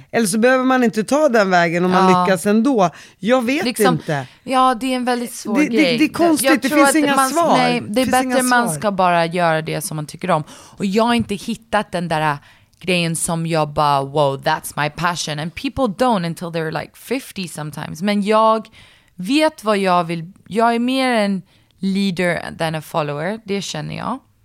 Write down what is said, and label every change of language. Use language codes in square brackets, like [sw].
[sv] Eller så behöver man inte ta den vägen om man lyckas ändå. Jag vet liksom, inte. Ja, det är en väldigt svår grej. Det är konstigt, det finns inga svar. Nej, det är bättre att man ska bara göra det som man tycker om. Och jag har inte hittat den där grejen som jag bara, [en] wow, that's my passion. And people don't until they're like 50 sometimes. [sv] Men jag vet vad jag vill. Jag är mer en leader [en] than a follower, [sv] det känner jag.